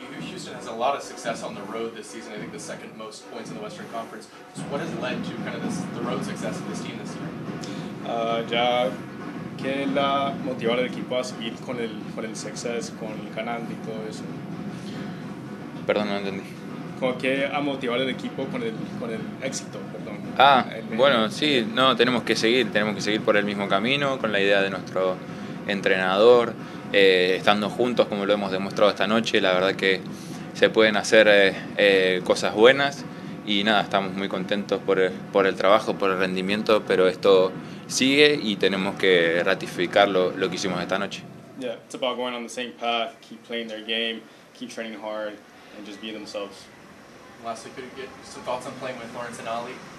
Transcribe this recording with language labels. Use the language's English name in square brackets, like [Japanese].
[English] Houston has a lot of success on the road this season. I think the second most points in the Western Conference. So what has led to kind of the road success of this team this year? [Spanish] ¿Qué la motivó al equipo a seguir con el success, con el ganando y todo eso? Perdón, no entendí. ¿Cómo que ha motivado al equipo con el éxito? Perdón. Ah, bueno, sí, no, tenemos que seguir por el mismo camino, con la idea de nuestro entrenador, estando juntos como lo hemos demostrado esta noche. La verdad que se pueden hacer cosas buenas y nada, estamos muy contentos por el trabajo, por el rendimiento, pero esto sigue y tenemos que ratificar lo que hicimos esta noche. [English] Yeah, it's about going on the same path, keep playing their game, keep training hard, and just being themselves. Lastly, could you get some thoughts on playing with Lawrence and Ali?